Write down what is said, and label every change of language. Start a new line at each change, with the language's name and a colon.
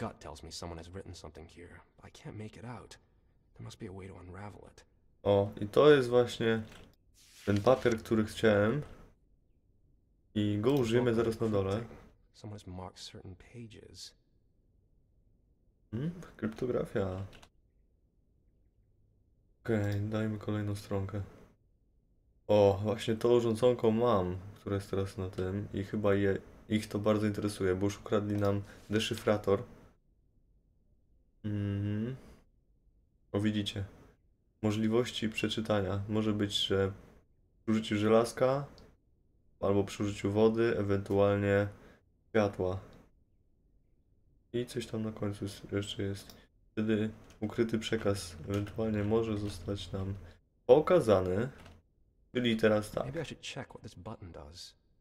English: Gut tells me someone has written something here. I can't make it out. There must be a way to unravel it.
Polish: O, i to jest właśnie ten papier, który chciałem. I go użyjemy zaraz na dole.
English: Someone has marked certain pages.
Polish: Kryptografia. Okej, okay, dajmy kolejną stronkę. O, właśnie to urządzonko mam, które jest teraz na tym i chyba ich to bardzo interesuje, bo już ukradli nam deszyfrator. O, widzicie. Możliwości przeczytania. Może być, że przy użyciu żelazka albo przy użyciu wody, ewentualnie światła. I coś tam na końcu jeszcze jest. Wtedy ukryty przekaz ewentualnie może zostać nam pokazany. Czyli teraz tak.
English: Maybe I should check what this button does.